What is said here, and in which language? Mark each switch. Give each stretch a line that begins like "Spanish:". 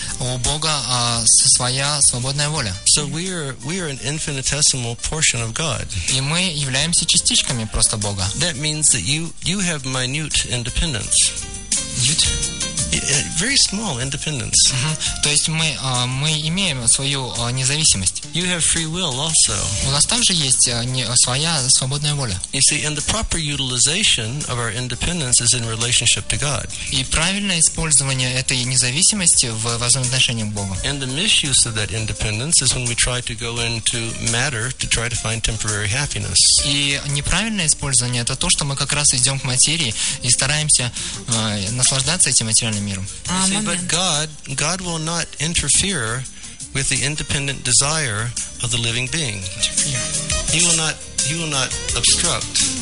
Russian: У Бога своя свободная воля.
English: So we are an infinitesimal portion of God.
Russian: И мы являемся частичками просто Бога.
English: That means that you have minute independence. Very small independence.
Russian: То есть мы имеем свою независимость.
English: You have free will also.
Russian: У нас также есть своя свободная воля.
English: You see, and the proper utilization of our independence is in relationship to God.
Russian: И правильное использование этой независимости в взаимоотношениях с Богом.
English: And the misuse of that independence is when we try to go into matter to try to find temporary happiness.
Russian: И неправильное использование это то, что мы как раз идем к материи и стараемся наслаждаться этим материальным миром.
English: See, but God will not interfere with the independent desire of the living being. He will not obstruct.